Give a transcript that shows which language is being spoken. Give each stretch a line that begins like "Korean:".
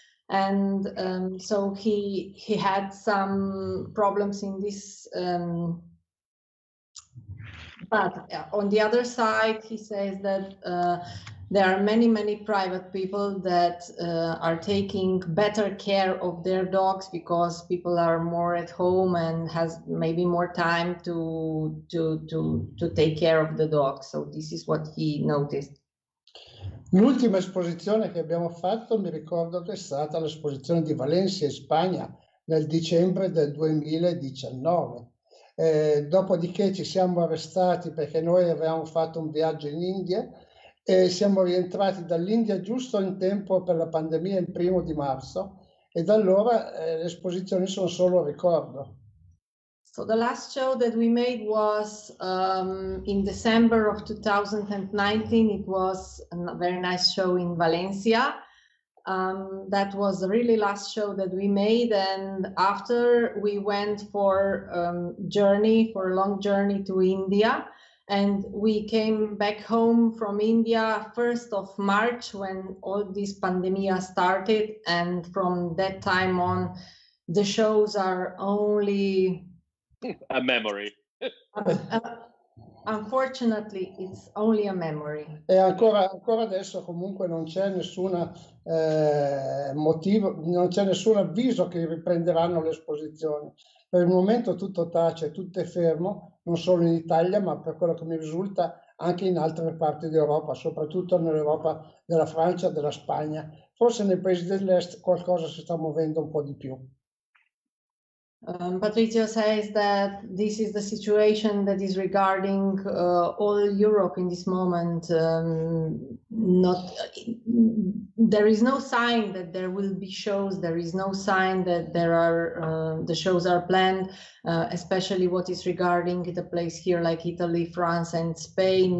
English: And so he had some problems in this, but on the other side, he says that there are many private people that are taking better care of their dogs because people are more at home and has maybe more time to take care of the dogs. So this is what he noticed.
Italian: L'ultima esposizione che abbiamo fatto, mi ricordo che è stata l'esposizione di Valencia in Spagna nel dicembre del 2019. Dopodiché ci siamo arrestati perché noi avevamo fatto un viaggio in India e siamo rientrati dall'India giusto in tempo per la pandemia il primo di marzo, e da allora le esposizioni sono solo ricordo.
English: So the last show that we made was in December of 2019. It was a very nice show in Valencia. That was the really last show that we made, and after we went for a long journey to India, and we came back home from India 1st of March when all this pandemia started, and from that time on the shows are only a memory. Unfortunately, it's only a memory.
Italian: E ancora adesso comunque non c'è nessuna motivo, non c'è nessun avviso che riprenderanno le esposizioni. Per il momento tutto tace, tutto è fermo, non solo in Italia, ma per quello che mi risulta anche in altre parti d'Europa, soprattutto nell'Europa della Francia, della Spagna. Forse nei paesi dell'est qualcosa si sta muovendo un po' di più.
English: Patrizio says that this is the situation that is regarding all Europe in this moment. There is no sign that there will be shows. There is no sign that there are the shows are planned, especially what is regarding the place here like Italy, France and Spain.